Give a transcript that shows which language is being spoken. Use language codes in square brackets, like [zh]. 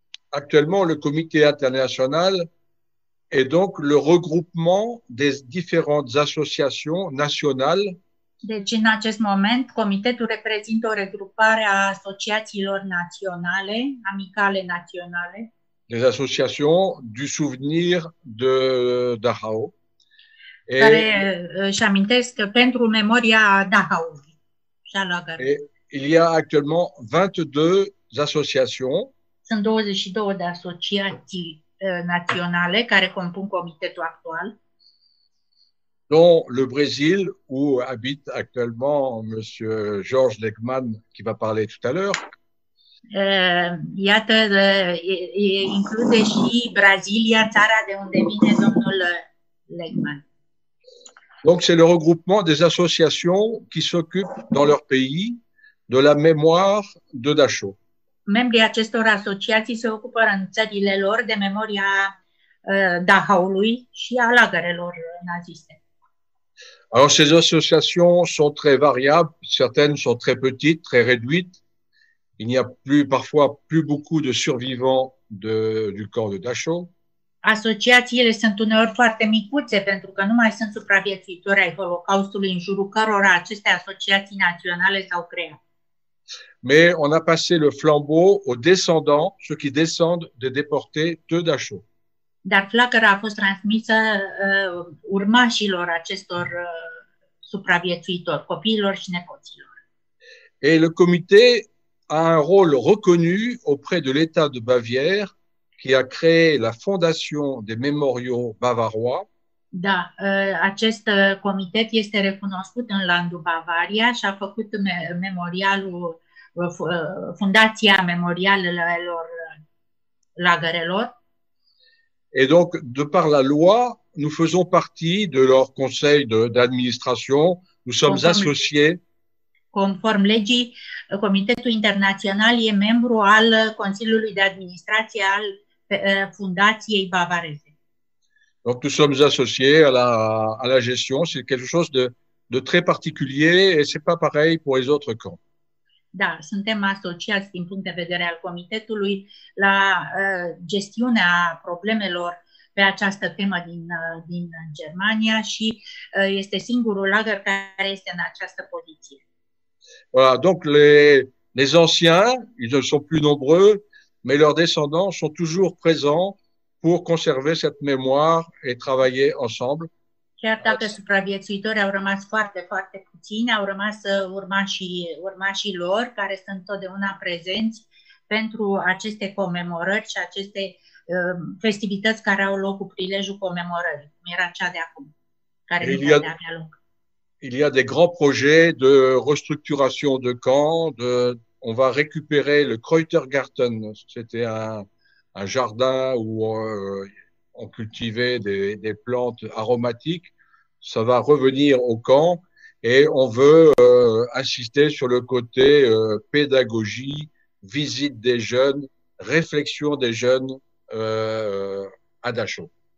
[fr] Actuellement, le comité international est donc le regroupement des différentes associations nationales. [ro] Deci, în acest moment, comitetul reprezintă o regrupare a asociațiilor naționale, amicale naționale. [fr] Des associations du souvenir de Dachau. [ro] Et care își amintesc pentru memoria Dachau. [fr] Et il y a actuellement 22 associations. [ro] Sunt 22 de asociații naționale care compun comitetul actual. [fr] Dont le Brésil où habite actuellement monsieur Georges Legmann qui va parler tout à l'heure. [ro] Iată include și Brazilia, țara de unde vine domnul Legmann. [fr] Donc c'est le regroupement des associations qui s'occupent dans leur pays de la mémoire de Dachau. [ro] Membrii acestor asociații se ocupă în țările lor de memoria Dachau-lui și a lagărelor naziste. [fr] Alors ces associations sont très variables, certaines sont très petites, très réduites. Il n'y a plus parfois plus beaucoup de survivants du camp de Dachau. [ro] Asociațiile sunt uneori foarte micuțe pentru că nu mai sunt supraviețuitori ai Holocaustului în jurul cărora aceste asociații naționale s-au creat. [fr] Mais on a passé le flambeau aux descendants, ceux qui descendent de déportés de Dachau. [ro] Dar flacăra a fost transmisă urmașilor acestor supraviețuitor, copiilor și nepoților. [fr] Et le comité a un rôle reconnu auprès de l'État de Bavière qui a créé la Fondation des Mémoriaux Bavarois. [ro] Da, acest comitet este recunoscut în landul Bavaria și a făcut memorialul, fundația memorialelor lagărelor. [fr] Et donc, de par la loi, nous faisons partie de leur conseil d'administration, nous sommes associés. [ro] Conform legii, Comitetul Internațional e membru al Consiliului de Administrație al Fundației Bavareze. [fr] Donc nous sommes associés à la gestion, c'est quelque chose de très particulier et c'est pas pareil pour les autres camps. [ro] Da, suntem asociați din punct de vedere al comitetului la gestiunea problemelor pe această temă din Germania și este singurul lagăr care este în această poziție. [fr] Voilà, donc les anciens, ils ne sont plus nombreux, mais leurs descendants sont toujours présents pour conserver cette mémoire et travailler ensemble. [ro] Chiar dacă supraviețuitori au rămas foarte, foarte puțini, au rămas urmașii lor, care sunt totdeauna prezenți pentru aceste comemorări și aceste festivități care au loc cu prilejul comemorării, cum era cea de acum, care nu poate avea loc. [fr] Il y a des grands projets de restructuration de camps. On va récupérer le Kräutergarten. C'était un jardin où on cultivait des plantes aromatiques. Ça va revenir au camp et on veut insister sur le côté pédagogie, visite des jeunes, réflexion des jeunes à Dachau.